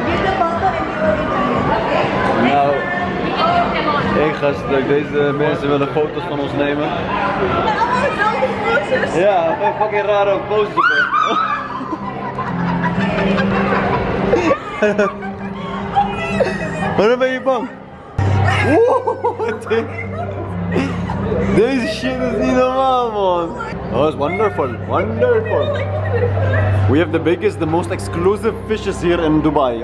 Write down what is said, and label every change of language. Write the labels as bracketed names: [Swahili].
[English] Give the bottle and you will eat it. [Dutch] Nou, ik ga stuk. Deze mensen willen foto's van ons nemen. Allemaal dezelfde poses. Ja, een fucking rare poses. [English] Oh my god. [Dutch] Waarom ben je bang? Deze shit is niet normaal, man. [English] Oh, it's wonderful. Wonderful. We have the biggest, the most exclusive fishes here in Dubai.